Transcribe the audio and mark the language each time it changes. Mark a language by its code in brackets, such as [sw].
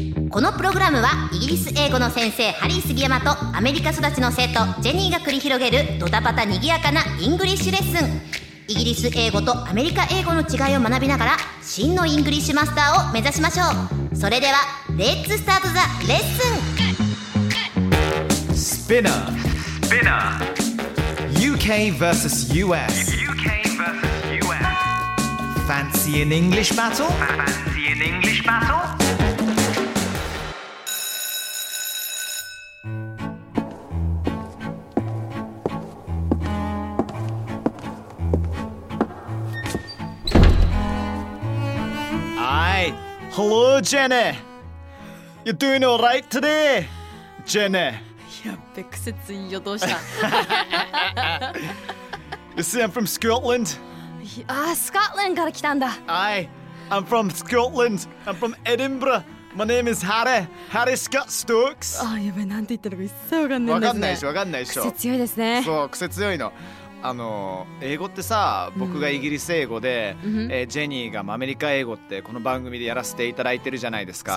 [ja] このプログラムはイギリス英語の先生ハリー杉山とアメリカ育ちの生徒ジェニーが繰り広げるドタパタにぎやかなイングリッシュレッスン。イギリス英語とアメリカ英語の違いを学びながら真のイングリッシュマスターを目指しましょう。 [en] それではレッツスタートザレッスン。 Spinner Spinner UK versus USFancy an English battle? Fancy an English battle? Aye. Hello, Jenny. You're doing all right today, Jenny? Yeah, big sense in your dosha. You see, I'm from Scotland. [ja] Ah, Scotland から来たんだ。 [en] Aye, I'm from Scotland. I'm from Edinburgh. My name is Harry. Harry Scott Stokes. [ja] Ah, やべ、なんて言ったのか一切わかんないですね。わかんないでしょ、わかんないでしょ。癖強いですね。そう、癖強いの。英語ってさ、僕がイギリス英語で、うん、ジェニーがアメリカ英語ってこの番組でやらせていただいてるじゃないですか。